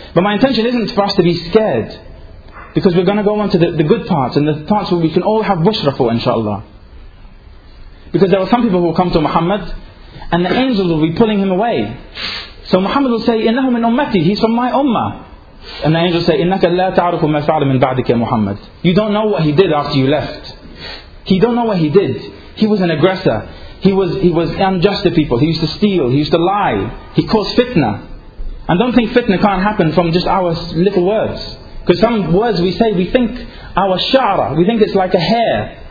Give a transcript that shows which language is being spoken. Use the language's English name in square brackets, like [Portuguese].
[English] But my intention isn't for us to be scared. Because we're going to go on to the good parts and the parts where we can all have bushra for, inshallah. Because there are some people who will come to Muhammad and the angels will be pulling him away. So Muhammad will say, [Arabic] إِنَّهُ مِنْ أُمَّتِي, [English] he's from my ummah. And the angels say, [Arabic] إِنَّكَ لَا تَعْرُفُ مَا فَعْلَ مِنْ بَعْدِكَ Muhammad. [English] You don't know what he did after you left. He don't know what he did. He was an aggressor. He was unjust to people. He used to steal. He used to lie. He caused fitna. And don't think fitna can't happen from just our little words. Because some words we say, we think our shara, we think it's like a hair.